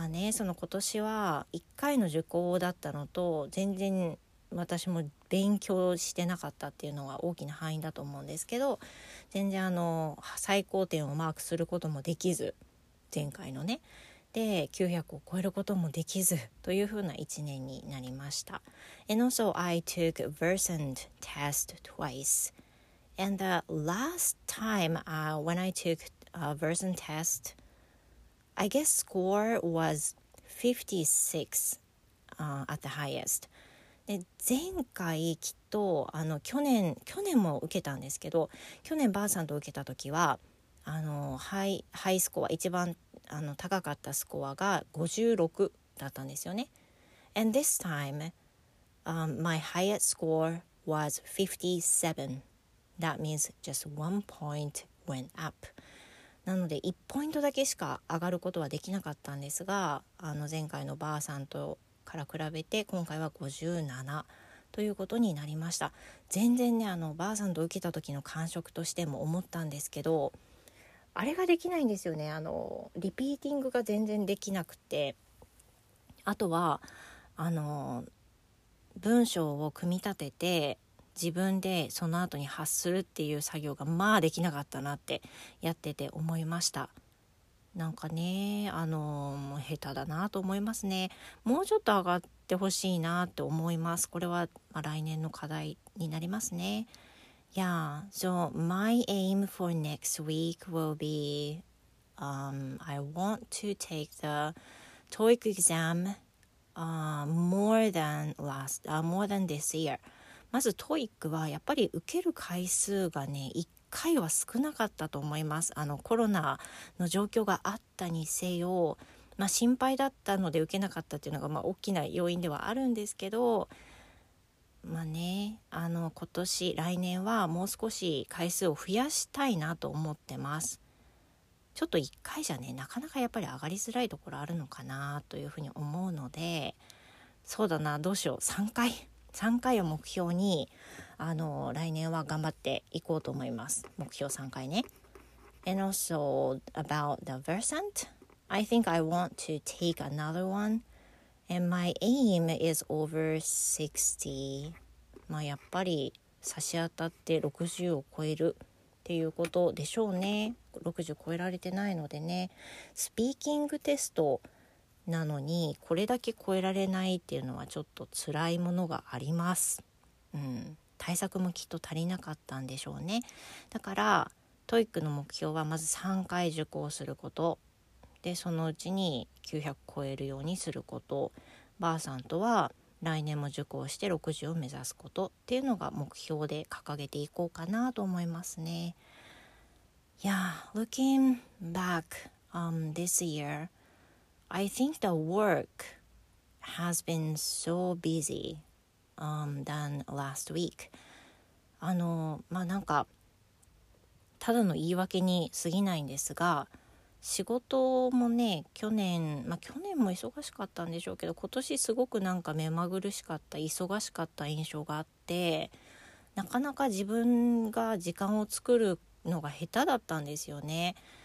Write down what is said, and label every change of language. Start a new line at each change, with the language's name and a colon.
Japanese: その今年は1回の受講だったのと、全然私も勉強してなかったっていうのが大きな範囲だと思うんですけど、全然最高点をマークすることもできず、前回のね、で900を超えることもできずというふうな1年になりました。
English: And also I took Versant test twice. And the last time when I took Versant testI guess score was 56 at the highest.
Japanese: で、前回きっと去年も受けたんですけど、去年バーさんと受けた時はハイスコア、一番高かったスコアが56だったんですよね。
English: And this time, my highest score was 57. That means just one point went up.
Japanese: なので1ポイントだけしか上がることはできなかったんですが、前回のバーさんとから比べて今回は57ということになりました。全然ね、バーさんと受けた時の感触としても思ったんですけど、あれができないんですよね、リピーティングが全然できなくて、あとは文章を組み立てて自分でその後に発するっていう作業がまあできなかったなってやってて思いました。なんかね、もう下手だなと思いますね。もうちょっと上がってほしいなって思います。これは来年の課題になりますね。
English: Yeah, so my aim for next week will be I want to take the TOEIC exam more than this year。
Japanese: まずトイックはやっぱり受ける回数がね、1回は少なかったと思います。コロナの状況があったにせよ、まあ心配だったので受けなかったっていうのが大きな要因ではあるんですけど、まあね、今年来年はもう少し回数を増やしたいなと思ってます。ちょっと1回じゃね、なかなかやっぱり上がりづらいところあるのかなというふうに思うので、そうだな、どうしよう、3回を目標に来年は頑張っていこうと思います。目標3回ね。
English: And also about the Versant, I think I want to take another one, and my aim is over 60.
Japanese: まあやっぱり差し当たって60を超えるっていうことでしょうね。 60超えられてないのでね、スピーキングテストなのにこれだけ超えられないっていうのはちょっと辛いものがあります。対策もきっと足りなかったんでしょうね。だからTOEICの目標はまず3回受講することで、そのうちに900超えるようにすること、バーさんとは来年も受講して60を目指すことっていうのが目標で掲げていこうかなと思いますね。
English: Yeah, looking back this yearI think the work has been so busy than last week.
Japanese: なんかただの言い訳に過ぎないんですが、仕事もね、去年も忙しかったんでしょうけど、今年すごくなんか目まぐるしかった、忙しかった印象があって、なかなか自分が時間を作るのが下手だったんですよね。